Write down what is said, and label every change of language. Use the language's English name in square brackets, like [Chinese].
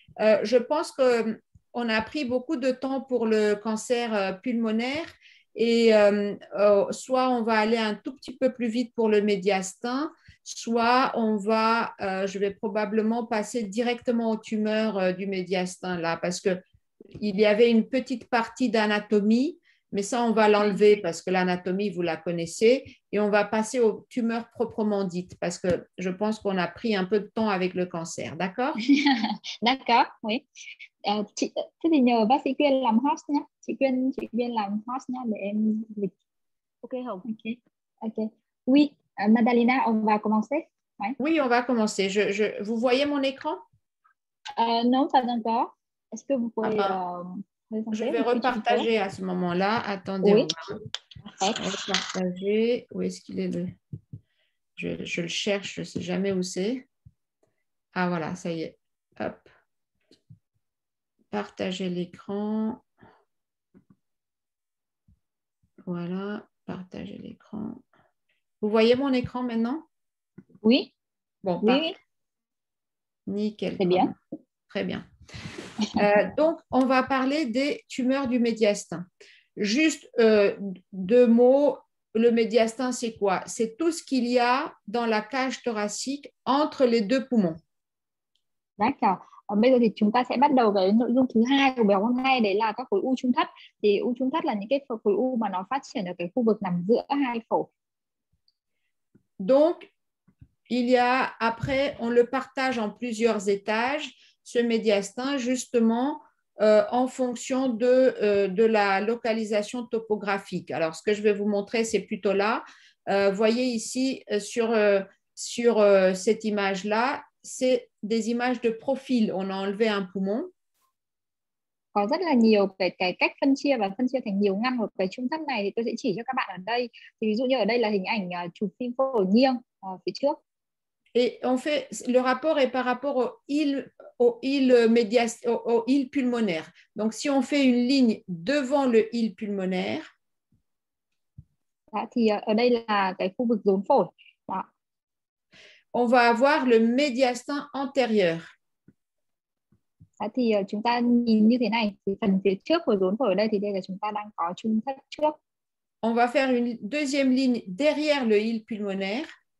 [French] Je pense qu'on a pris beaucoup de temps pour le cancer pulmonaire et soit on va aller un tout petit peu plus vite pour le médiastin, soit on va, je vais probablement passer directement aux tumeurs du médiastin là, parce qu'il y avait une petite partie d'anatomie, mais ça on va l'enlever parce que l'anatomie vous la connaissez, et on va passer aux tumeurs proprement dites, parce que je pense qu'on a pris un peu de temps avec le cancer, d'accord? D'accord, oui. [Vietnamese] Thế thì nhờ bác sĩ Quyên làm host nhé. Chị Quyên làm host nhé để em dịch. Ok Hồng. [French] Ok. Oui, Madalina, on va commencer. Ouais. Oui, on va commencer. Vous voyez mon écran? Non, pas encore. Est-ce que vous pouvez Je vais repartager à ce moment-là. Attendez. Oui. Repartager. Où est-ce qu'il est? Je le cherche, je ne sais jamais où c'est. Ah voilà, ça y est. Hop. Partager l'écran. Voilà, partager l'écran. Vous voyez mon écran maintenant? Oui. Bon, oui. Nickel. Très bien. Très bien. Donc, on va parler des tumeurs du médiastin. Juste deux mots. Le médiastin, c'est quoi? C'est tout ce qu'il y a dans la cage thoracique entre les deux poumons. D'accord. [Vietnamese] Bây giờ thì chúng ta sẽ bắt đầu với nội dung thứ hai của buổi hôm nay, đấy là các khối u trung thất. Thì u trung thất là những cái khối u mà nó phát triển ở cái khu vực nằm giữa hai phổi. [French] Donc il y a après on le partage en plusieurs étages ce médiastin justement en fonction de la localisation topographique. Alors ce que je vais vous montrer c'est plutôt là. Voyez ici sur cette image là. C'est des images de profil. On a enlevé un poumon. [Vietnamese] Có rất là nhiều cái cách phân chia và phân chia thành nhiều ngăn của cái trung thất này thì tôi sẽ chỉ cho các bạn ở đây. Thì ví dụ như ở đây là hình ảnh chụp phim phổi nghiêng phía trước. [French] Et on fait le rapport est par rapport au il pulmonaire. Donc si on fait une ligne devant le il pulmonaire. [Vietnamese] Đó, thì ở đây là cái khu vực rốn phổi. Đó. [French] On va avoir le médiastin antérieur. [Vietnamese] Thì chúng ta nhìn như thế này, thì phần phía trước của rốn phổi ở đây thì đây là chúng ta đang có trung thất trước. [French] On va faire une deuxième ligne derrière le il pulmonaire.